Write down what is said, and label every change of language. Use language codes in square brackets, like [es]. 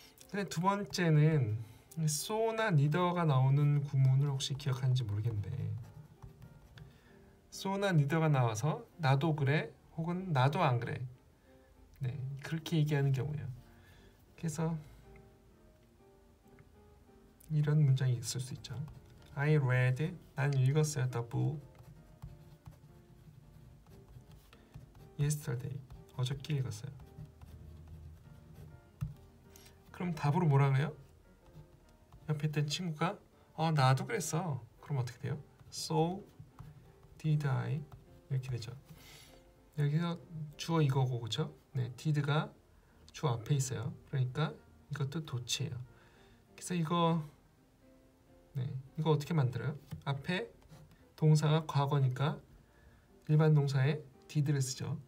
[ko] 근데 두 번째는 so나 neither가 나오는 구문을 혹시 기억하는지 모르겠는데 so나 neither가 나와서 나도 그래 혹은 나도 안 그래 네 그렇게 얘기하는 경우예요. 그래서 이런 문장이 있을 수 있죠. [en] I read [ko] 난 읽었어요. [en] The book yesterday [ko] 어저께 읽었어요. 그럼 답으로 뭐라 그래요? 옆에 있던 친구가 나도 그랬어. 그럼 어떻게 돼요? [en] So did I [ko] 이렇게 되죠. 여기서 주어 이거고 그렇죠? 네, did가 주어 앞에 있어요. 그러니까 이것도 도치예요. 그래서 이거 네 이거 어떻게 만들어요? 앞에 동사가 과거니까 일반 동사에 did를 쓰죠.